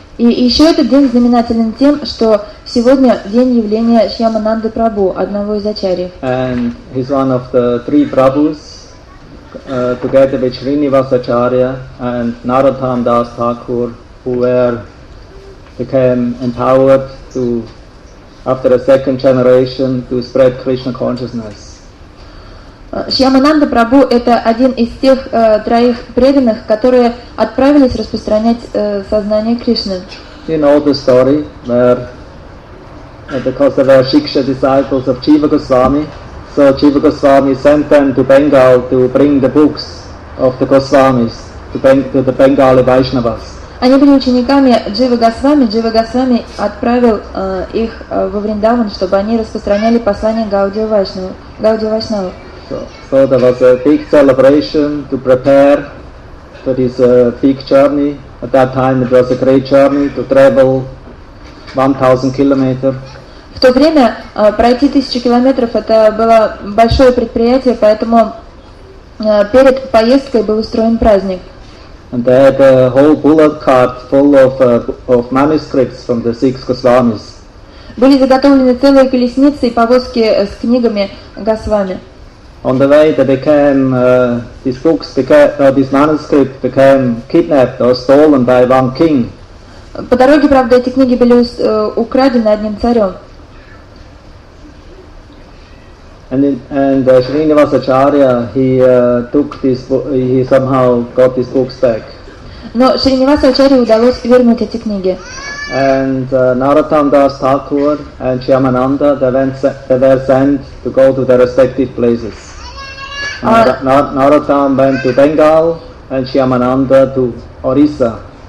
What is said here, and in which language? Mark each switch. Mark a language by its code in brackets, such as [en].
[ru] И еще этот день знаменателен тем, что сегодня день явления Шьямананды Прабху, одного из ачарьев. [en] And he's one of the three Prabhus, together with Srinivasacharya and Narottam Das Thakur, who became empowered to, after a second generation, to spread Krishna consciousness. [ru] Шьямананда Прабху – это один из тех троих преданных, которые отправились распространять сознание Кришны. [en] You know the story where, because they were Shiksha disciples of Jiva Goswami, so Jiva Goswami sent them to Bengal to bring the books of the Goswamis to the Bengali Vaishnavas. [ru] Они были учениками Джива Госвами. Джива Госвами отправил их во Вриндаван, чтобы они распространяли послание Гаудия Вайшнава. [en] So there was a big celebration to prepare for this big journey. At that time it was a great journey to travel 1,000 kilometers. [ru] В то время пройти 1000 километров это было большое предприятие, поэтому перед поездкой был устроен праздник. [en] And they had a whole bullet cart full of manuscripts from the six Goswamis. [ru] Были заготовлены целые колесницы и повозки с книгами Госвами. [en] On the way they became these books became these manuscripts became kidnapped or stolen by one king. [ru] По дороге, правда, эти книги были украдены одним царем. [en] And Srinivasacharya he somehow got these books back. [ru] Но Шринивасачарье удалось вернуть эти книги. [en] And Narottam Das Thakur and Shyamananda they were sent to go to their respective places. Narottam went to Bengal and Shyamananda to Orissa.